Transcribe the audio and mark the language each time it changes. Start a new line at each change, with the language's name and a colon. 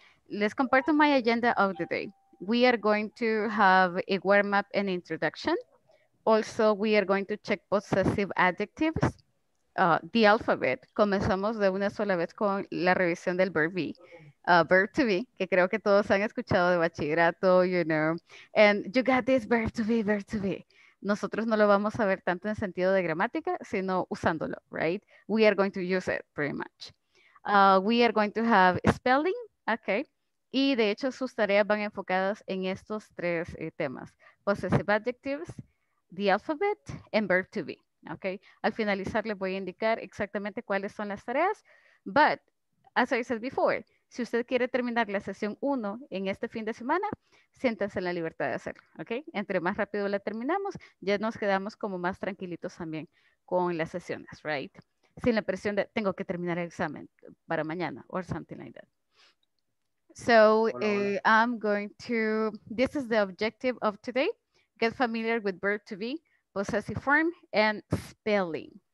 Spanish: Les comparto
English: my agenda of the day. We are going to have a warm-up and introduction. Also, we are going to check possessive adjectives, the alphabet.
Spanish: Comenzamos de una sola vez con la revisión del verb be, verb to be, que creo que todos han escuchado de bachillerato,
English: you know. And you got this verb to be, verb to be.
Spanish: Nosotros no lo vamos a ver tanto en sentido de gramática, sino usándolo, right?
English: We are going to use it pretty much. We are going to have spelling, okay.
Spanish: Y de hecho, sus tareas van enfocadas en estos 3 temas. Possessive adjectives,
English: the alphabet and verb to be. Okay.
Spanish: Al finalizar les voy a indicar exactamente cuáles son las tareas.
English: But as I said before,
Spanish: si usted quiere terminar la sesión 1 en este fin de semana, siéntase en la libertad de hacerlo. Okay. Entre más rápido la terminamos, ya nos quedamos como más tranquilitos también con las sesiones, right? Sin la presión de tengo que terminar el examen para mañana
English: or something like that. So I'm going to, this is the objective of today. Get familiar with verb to be, possessive form, and spelling.